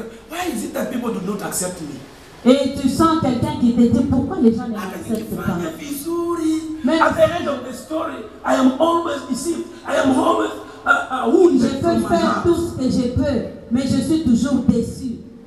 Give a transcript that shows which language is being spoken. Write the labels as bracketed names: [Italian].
[English] Why is it that people do not accept me? [French] Et tu sens quelqu'un qui te dit pourquoi les gens ne m'acceptent pas. [English] Mais at the end of the story, I am always deceived. I am always [French] je peux faire tout ce que je peux, mais je suis toujours déçu.